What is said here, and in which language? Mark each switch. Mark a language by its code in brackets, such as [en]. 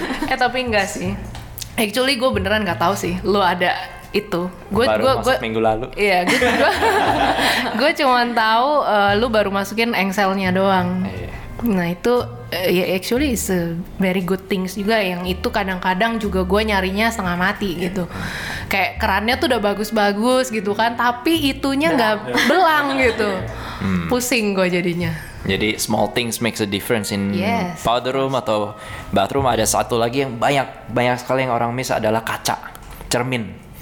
[id] Eh tapi enggak sih. Actually gue beneran nggak tahu sih lo ada itu. Gue minggu lalu. Iya, gue cuma tahu lo baru masukin engselnya doang. Yeah. Nah itu [en] actually it's a very good things juga. [id] Yang itu kadang-kadang juga gue nyarinya setengah mati gitu. Kayak kerannya tuh udah bagus-bagus gitu kan, tapi itunya nggak belang gitu. Pusing gue jadinya. Jadi [en] small things makes a difference in powder room atau bathroom. [id] Ada satu lagi yang banyak sekali yang orang miss adalah kaca, cermin.